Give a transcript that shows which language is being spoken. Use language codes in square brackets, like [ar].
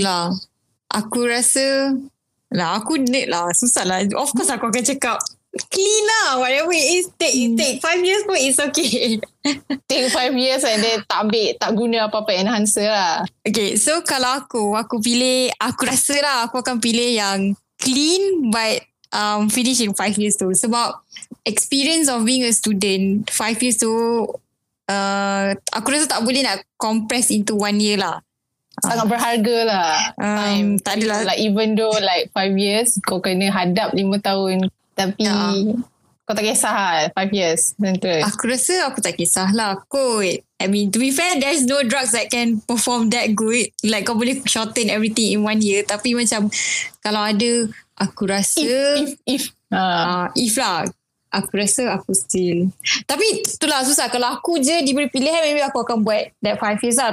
[ms] Lah, aku rasa, aku nerd lah, susah lah. [en] Of course [ms] aku akan cakap [en] clean lah, whatever it is, take 5 years pun it's okay. Take 5 years and then [ms] tak ambil, tak guna apa-apa enhancer lah. Okay, so kalau aku pilih, aku rasa lah aku akan pilih yang [en] clean but finish in 5 years [ms] tu. Sebab [en] experience of being a student 5 years [ms] tu, aku rasa tak boleh nak [en] compress into 1 year lah. [ms] Sangat berharga lah. Tak adalah. [en] Like, even though like 5 years, [ms] kau kena hadap 5 tahun. Tapi kau tak kisah lah [en] 5 years. [ms] Betul. Aku rasa aku tak kisah lah kot. [en] I mean, to be fair, there's no drugs that can perform that good. [ms] Like, kau boleh [en] shorten everything in 1 year. [ms] Tapi macam, kalau ada, aku rasa... [en] If [ms] lah. Aku rasa aku still... Tapi itulah susah. Kalau aku je diberi pilihan, maybe aku akan buat that 5 years lah.